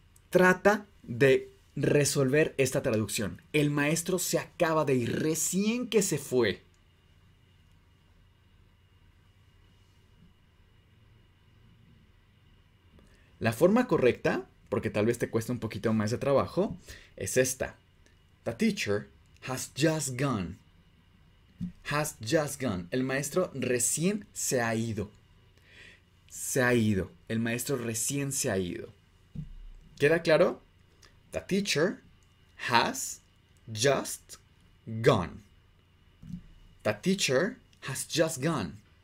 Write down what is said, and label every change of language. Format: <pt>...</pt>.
<es>Trata de resolver esta traducción. El maestro se acaba de ir recién que se fue. La forma correcta, porque tal vez te cueste un poquito más de trabajo, es esta.</es> <en>The teacher has just gone. Has just gone.</en> <es>El maestro recién se ha ido. Se ha ido. El maestro recién se ha ido. ¿Queda claro?</es> <en>The teacher has just gone. The teacher has just gone.</en>